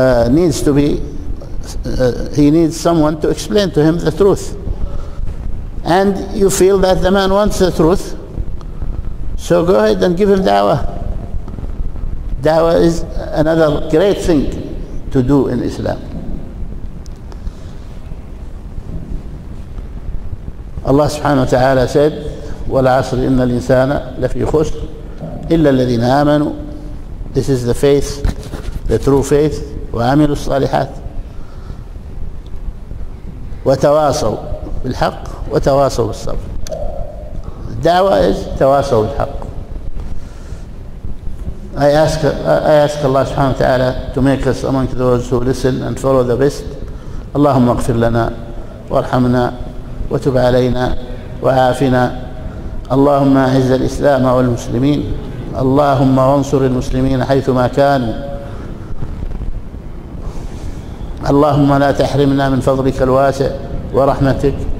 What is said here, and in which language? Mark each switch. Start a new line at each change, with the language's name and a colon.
English: needs to be, he needs someone to explain to him the truth. And you feel that the man wants the truth, so go ahead and give him da'wah. Da'wah is another great thing to do in Islam. Allah subhanahu wa ta'ala said,
Arabic: وَالْعَصْرِ إِنَّ الْإِنسَانَ لَفِي خُسْرٍ إِلَّا الَّذِينَ آمَنُوا.
English: This is the faith, the true faith.
Arabic: وَعَمِلُوا الصَّالِحَاتِ وَتَوَاصَوْا بِالْحَقِّ وَتَوَاصَوْا بِالصَّبْرِ.
English: Da'wa is
Arabic: تَوَاصَوْا بِالْحَقِّ.
English: I ask Allah subhanahu wa ta'ala to make us among those who listen and follow the best.
Arabic: اللهم اغفر لنا وارحمنا وتب علينا وعافنا. اللهم أعز الإسلام والمسلمين. اللهم انصر المسلمين حيثما كانوا. اللهم لا تحرمنا من فضلك الواسع ورحمتك.